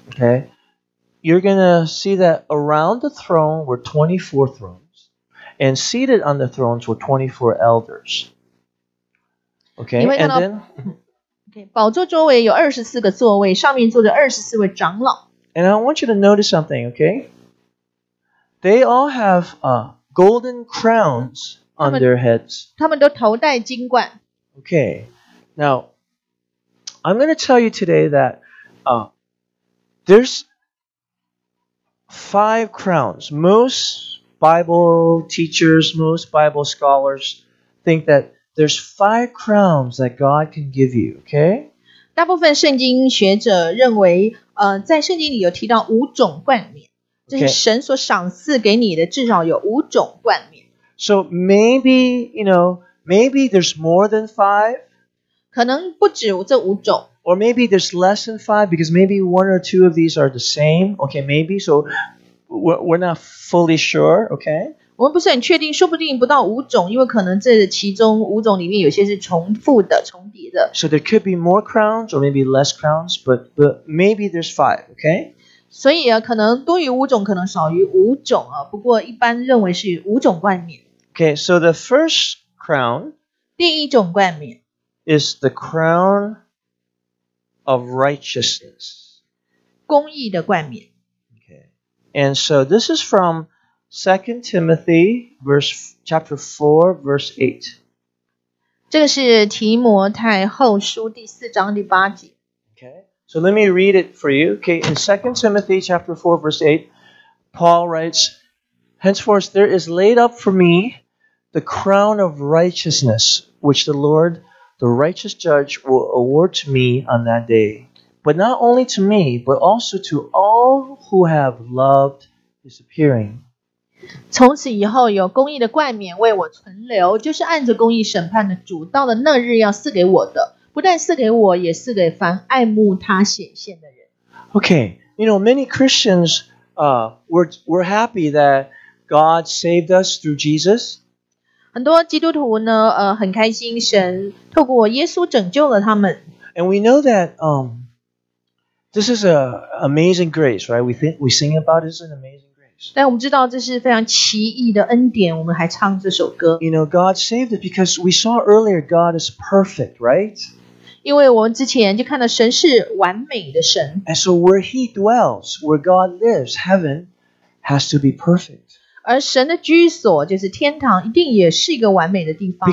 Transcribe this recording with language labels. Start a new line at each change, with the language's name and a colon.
English: Okay, you're going to see that around the throne were 24 thrones, and seated on the thrones were 24 elders. Okay, and then...
Chinese: Okay, 宝座周围有24个座位，上面坐着24位长老。
English: And I want you to notice something, okay? They all have golden crowns on their heads.
Chinese: 他们都头戴金冠。
English: Okay. Now, I'm going to tell you today that there's five crowns. Most Bible teachers, most Bible scholars think that there's five crowns that God can give you, okay?
Chinese: 大部分圣经学者认为在圣经里有提到五种冠冕，这是神所赏赐给你的，至少有五种冠冕。
English: So maybe, you know, maybe there's more than five.
Chinese: 可能不止这五种。
English: Or maybe there's less than five, because maybe one or two of these are the same. Okay, maybe, so we're not fully sure, okay?
Chinese: 我们不是很确定，说不定不到五种，因为可能这其中五种里面有些是重复的、重叠的。
English: So there could be more crowns or maybe less crowns, but maybe there's five, okay?
Chinese: 所以啊，可能多于五种，可能少于五种啊。不过一般认为是五种冠冕。
English: Okay, so the first crown,
Chinese: 第一种冠冕
English: is the crown of righteousness,
Chinese: 公义的冠冕。
English: Okay, and so this is from 2 Timothy verse chapter 4 verse 8.
Chinese: 这个是提摩太后书第四章第八节。
English: So let me read it for you. Okay, in 2 Timothy chapter 4, verse 8, Paul writes, Henceforth there is laid up for me the crown of righteousness, which the Lord, the righteous judge, will award to me on that day. But not only to me, but also to all who have loved his appearing.
Chinese: 从此以后有公义的冠冕为我存留，就是按着公义审判的主，到了那日要赐给我的。不但是给我，也是给凡爱慕他显现的人。
English: Okay, you know, many Christians were happy that God saved us through Jesus.
Chinese: 很多基督徒呢，很开心神透过耶稣拯救了他们。
English: And we know that this is an amazing grace, right? We sing about it as an amazing grace.
Chinese: 但我们知道这是非常奇异的恩典，我们还唱这首歌。
English: You know, God saved us because we saw earlier God is perfect, right?
Chinese: 因为我们之前就看到神是完美的神。
English: And so where he dwells, where God lives, heaven has to be perfect.
Chinese: 而神的居所就是天堂，一定也是一个完美的地方。